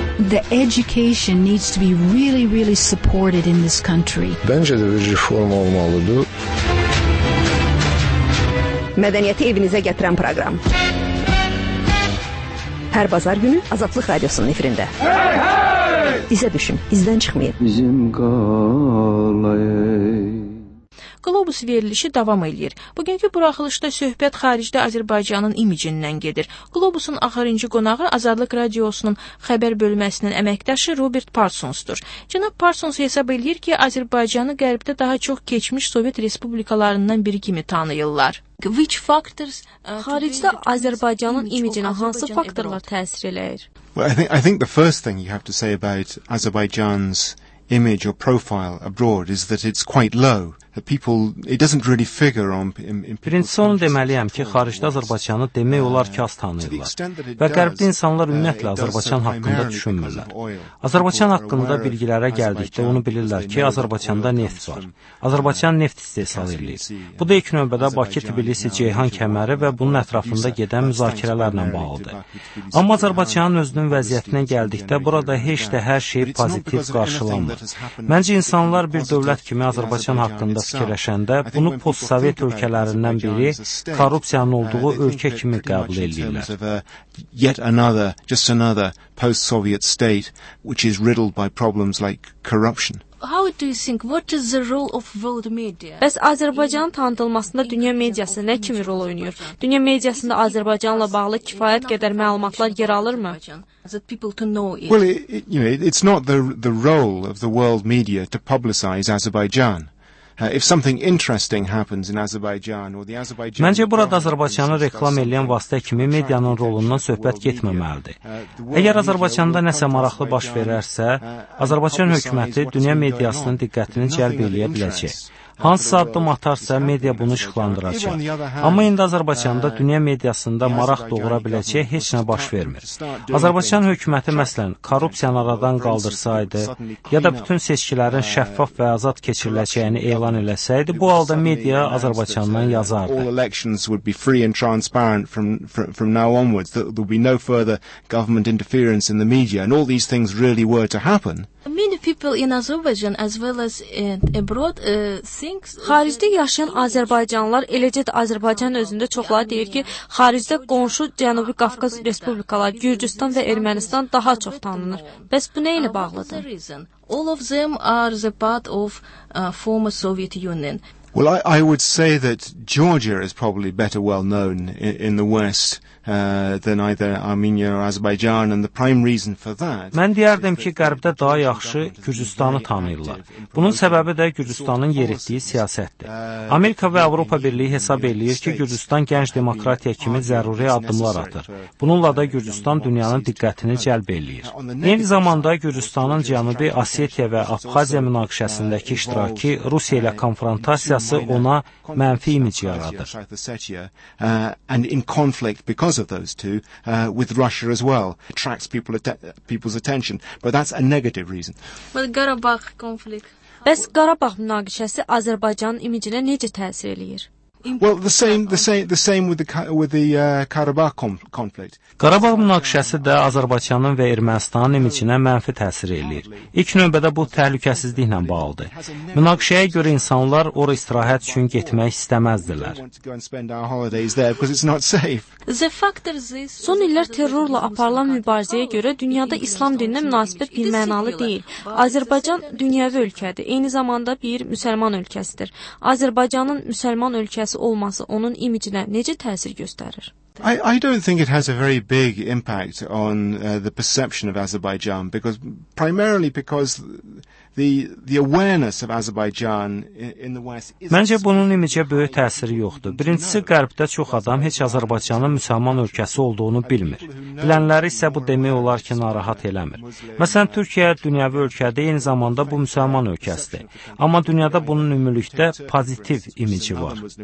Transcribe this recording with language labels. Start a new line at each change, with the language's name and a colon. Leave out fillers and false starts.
English: The education needs to be really, really supported in this country.
Turkish: Bence de bir reform olmalıdır.
Azerbaijani: Mədəniyyəti evinizə gətirən proqram. Hər bazar günü Azadlıq Radiosunun efirində. Hey, hey! İzə düşün, izdən çıxmayın. Bizim qalayı. Qlobus verilişi davam edir. Bugünkü buraxılışda söhbət xaricdə Azərbaycanın imicindən gedir. Qlobusun axırıncı qonağı Azadlıq Radiosunun xəbər bölməsinin əməkdaşı Robert Parsonsdur. Cənab Parsons hesab edir ki, Azərbaycanı qərbdə daha çox keçmiş Sovet Respublikalarından biri kimi tanıyırlar.
English: Which factors
Azerbaijani: xaricdə Azərbaycanın imicinə hansı faktorlar təsir eləyir?
English: Well, I think the first thing you have to say about Azerbaijan's image or profile abroad is that it's quite low.
Azerbaijani: Prinson deməliyəm ki, xaricdə Azərbaycanı demək olar ki, az tanıyırlar. Və qərbdə insanlar ümumiyyətlə Azərbaycan haqqında düşünmürlər. Azərbaycan haqqında bilgilərə gəldikdə onu bilirlər ki, Azərbaycanda neft var. Azərbaycan neft istehsal edir. Bu da ilk növbədə Bakı-Tbilisi-Ceyhan kəməri və bunun ətrafında gedən müzakirələrlə bağlıdır. Amma Azərbaycanın özünün vəziyyətinə gəldikdə burada heç də hər şey pozitiv qarşılanmır. Məncə insanlar bir dövlət kimi Azərbaycan haqqında fikirləşəndə bunu postsovet ölkələrindən biri korrupsiyanın olduğu ölkə kimi qəbul edirlər.
English: Yet another, just another post-Soviet state which is riddled by problems like corruption. How do you think, what is the role of world media?
Azerbaijani: Bəs Azərbaycanın tanıtılmasında dünya mediası nə kimi rol oynayır? Dünya mediasında Azərbaycanla bağlı kifayət qədər məlumatlar yer alırmı?
English: That people to know it. Well, it's not the role of the world media to publicize Azerbaijan. If something interesting happens in Azerbaijan or the Azerbaijan
Azerbaijani: Məncə burada Azərbaycanı reklam edən vasitə kimi medianın rolundan söhbət getməməlidir. Əgər Azərbaycanda nəsə maraqlı baş verərsə, Azərbaycan hökuməti dünya mediasının diqqətini cəlb eləyə biləcək. Hansısa addım atarsa, media bunu işıqlandıracaq. Amma indi Azərbaycanda dünya mediasında maraq doğura biləcək heç nə baş vermir. Azərbaycan hökuməti, məsələn, korrupsiyanı aradan qaldırsaydı, ya da bütün seçkilərin şəffaf və azad keçiriləcəyini elan eləsəydi, bu halda media Azərbaycandan yazardı.
English: All elections would be free and transparent from now onwards. There would be no further government interference in the media. And all these things really were to happen. Many people in Azerbaijan as well as abroad think
Azerbaijani: Xaricdə yaşayan Azərbaycanlılar eləcə də Azərbaycan özündə çoxları deyir ki, xaricdə qonşu Cənubi Qafqaz respublikaları Gürcüstan və Ermənistan daha çox tanınır. Bəs bu nə ilə bağlıdır?
English: All of them are the part of former Soviet Union. Well, I would say that Georgia is probably better well known in the West than either Armenia or Azerbaijan, and the prime reason for that.
Azerbaijani: Mən deyərdim ki, qərbdə daha yaxşı Gürcüstanı tanıyırlar. Bunun səbəbi də Gürcüstanın yeritdiyi siyasətdir. Amerika və Avropa Birliyi hesab eləyir ki, Gürcüstan gənc demokratiya kimi zəruri addımlar atır. Bununla da Gürcüstan dünyanın diqqətini cəlb eləyir. Eyni zamanda Gürcüstanın Cənubi Osetiya və Abxaziya münaqişəsindəki iştirakı Rusiya ilə konfrontasiya ona mənfi imic yaradır.
English: And in conflict because of those two with Russia as well attracts people's attention, but that's a negative reason. Well, Qarabağ conflict.
Azerbaijani: Bəs Qarabağ münaqişəsi Azərbaycanın imicinə necə təsir eləyir?
English: Well, the same with the Qarabağ conflict.
Azerbaijani: Qarabağ münaqişəsi də Azərbaycanın və Ermənistanın imicinə mənfi təsir eləyir. İlk növbədə bu təhlükəsizliklə bağlıdır. Münaqişəyə görə insanlar ora istirahət üçün getmək istəməzdilər. Son illər terrorla aparılan mübarizəyə görə dünyada İslam dininə münasibət bir mənalı deyil. Azərbaycan dünyəvi ölkədir. Eyni zamanda bir müsəlman ölkəsidir. Azərbaycanın müsəlman ölkəsidir. Olması onun imicinə necə təsir göstərir?
English: I don't think it has a very big impact on the perception of Azerbaijan because the awareness of Azerbaijan in the West is
Azerbaijani: Məncə bunun imicə böyük təsiri yoxdur. Birincisi, qərbdə çox adam heç Azərbaycanın müsəlman ölkəsi olduğunu bilmir. Bilənləri isə bu demək olar ki, narahat eləmir. Məsələn, Türkiyə dünyəvi ölkədə eyni zamanda bu müsəlman ölkəsidir. Amma dünyada bunun ümumilikdə pozitiv imici var.